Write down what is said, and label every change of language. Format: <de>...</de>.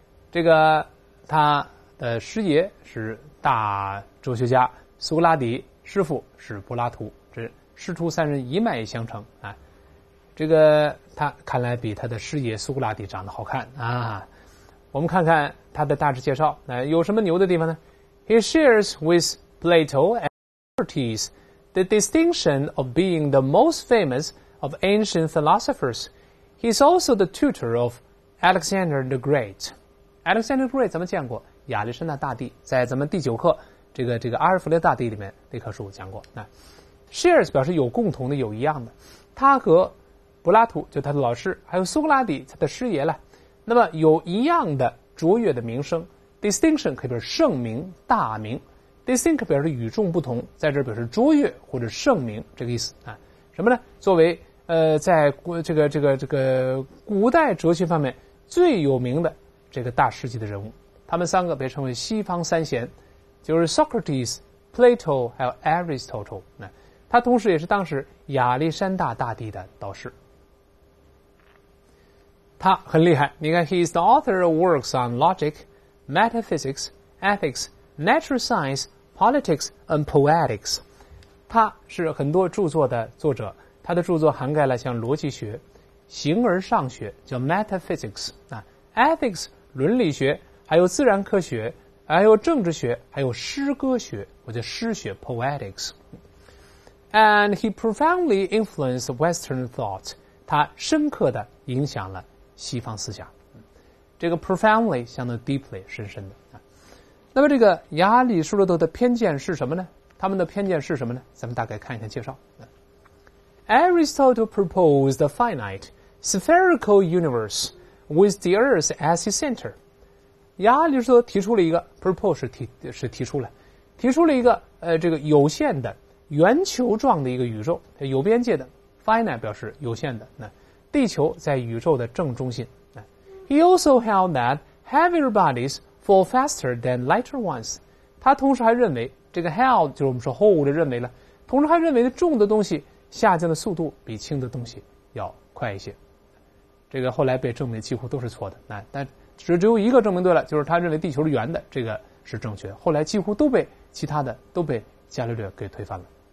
<zh>这个他的师爷是大哲学家苏格拉底，师父是柏拉图，这师徒三人一脉相承啊。这个他看来比他的师爷苏格拉底长得好看啊。我们看看他的大致介绍，有什么牛的地方呢？</zh> <en>He shares with Plato and Socrates the distinction of being the most famous of ancient philosophers. He's also the tutor of Alexander the Great.</en> <zh>Alexander Great 咱们见过，亚历山大大帝在咱们第九课这个阿尔弗雷大帝里面那课书讲过。那 shares 表示有共同的，有一样的。他和柏拉图就他的老师，还有苏格拉底他的师爷了，那么有一样的卓越的名声。 distinction 可以表示盛名大名， distinct 表示与众不同，在这表示卓越或者盛名这个意思啊。什么呢？作为在这个古代哲学方面最有名的这个大师级的人物，他们三个被称为西方三贤，就是 Socrates, Plato 还有 Aristotle。那他同时也是当时亚历山大大帝的导师，他很厉害。你看</zh> <en>He is the author of works on logic, metaphysics, ethics, natural science, politics and poetics。</en> <zh>他是很多著作的作者，他的著作涵盖了像逻辑学、形而上学叫 metaphysics、ethics伦理学，还有自然科学，还有政治学，还有诗歌学，我叫诗学 poetics。</zh> <en>And he profoundly influenced Western thought，</en> <zh>他深刻的影响了西方思想。这个 profoundly 相当 deeply 深深的。那么这个亚里士多德的偏见是什么呢？他们的偏见是什么呢？咱们大概看一看介绍。</zh> <en>Aristotle proposed a finite spherical universeWith the Earth as his center，</en> <zh>亚里士多德提出了一个 propose 提出了一个这个有限的圆球状的一个宇宙，有边界的 finite 表示有限的。那地球在宇宙的正中心。</zh> <en>He also held that heavier bodies fall faster than lighter ones。</en> <zh>他同时还认为这个 held 就是我们说 hold 认为了，同时还认为重的东西下降的速度比轻的东西要快一些。这个后来被证明几乎都是错的，但只有一个证明对了，就是他认为地球是圆的，这个是正确。后来几乎都被其他的都被伽利略给推翻了。</zh>